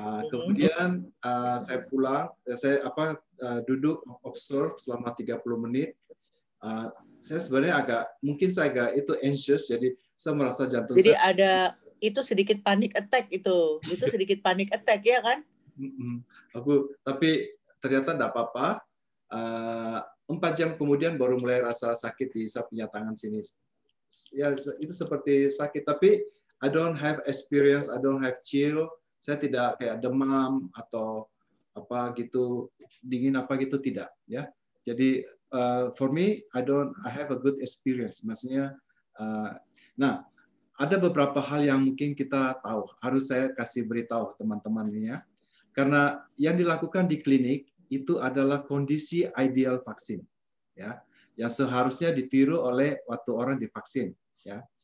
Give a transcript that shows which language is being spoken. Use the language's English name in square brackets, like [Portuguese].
[Indonesian] kemudian saya pulang saya apa duduk observe selama 30 menit saya sebenarnya agak mungkin saya agak itu anxious jadi saya merasa jantung jadi saya. Ada itu sedikit panic attack itu sedikit panic attack ya kan? Aku tapi ternyata tidak apa-apa. 4 jam kemudian baru mulai rasa sakit di saya punya tangan sini. Ya itu seperti sakit tapi [English] I don't have experience, I don't have chill. [Indonesian] Saya tidak kayak demam atau apa gitu dingin apa gitu tidak ya. Jadi [English] for me I have a good experience. [Indonesian] Maksudnya nah, ada beberapa hal yang mungkin kita tahu, harus saya kasih beritahu teman-temannya. Karena yang dilakukan di klinik itu adalah kondisi ideal vaksin, ya. Yang seharusnya ditiru oleh waktu orang divaksin, ya.